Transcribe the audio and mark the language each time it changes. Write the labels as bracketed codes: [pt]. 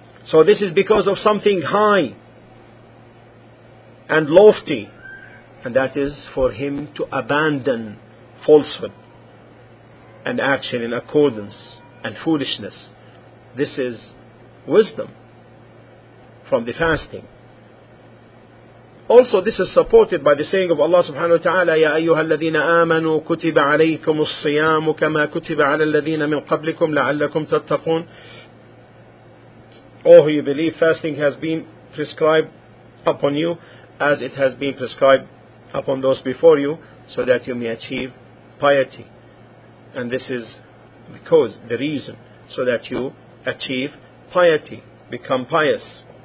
[en] So this is because of something high and lofty, and that is for him to abandon falsehood and action in accordance and foolishness. This is wisdom from the fasting. Also, this is supported by the saying of Allah [ar] subhanahu wa ta'ala, يَا أَيُّهَا الَّذِينَ آمَنُوا كُتِبَ عَلَيْكُمُ الصِّيَامُ كَمَا كُتِبَ عَلَى الَّذِينَ مِنْ قَبْلِكُمْ لَعَلَّكُمْ تَتَّقُونَ. [en] Oh, you believe fasting has been prescribed upon you as it has been prescribed upon those before you, so that you may achieve piety. And this is because, the reason, so that you achieve piety, become pious.